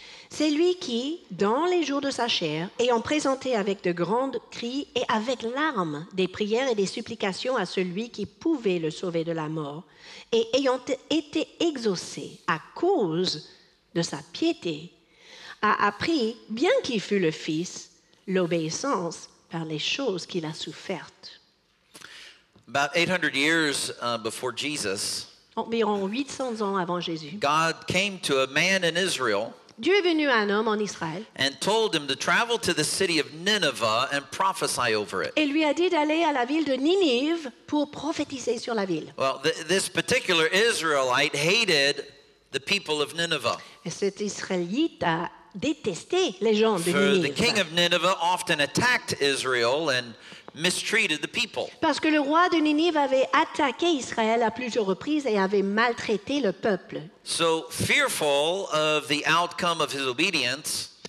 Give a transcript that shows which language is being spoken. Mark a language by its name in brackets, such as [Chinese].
[French] C'est lui qui, dans les jours de sa chair, ayant présenté avec de grands cris et avec larmes des prières et des supplications à celui qui pouvait le sauver de la mort, et ayant été exaucé à cause de sa piété, a appris, bien qu'il fût le Fils, l'obéissance par les choses qu'il a souffertes. [English] About 800 years before Jesus, [French] environ 800 ans avant Jésus, [English] God came to a man in Israel. [French] Dieu est venu à un homme en Israël. [English] And told him to travel to the city of Nineveh and prophesy over it. [French] Et lui a dit d'aller à la ville de Ninive pour prophétiser sur la ville. [English] Well, this particular Israelite hated the people of Nineveh. [French] Et cet Israélite a détesté les gens de [English] Ninive. For the king of Nineveh often attacked Israel and mistreated the people. [French] Parce que le roi de Ninive avait attaqué Israël à plusieurs reprises et avait maltraité le peuple. [English] So fearful of the outcome of his obedience,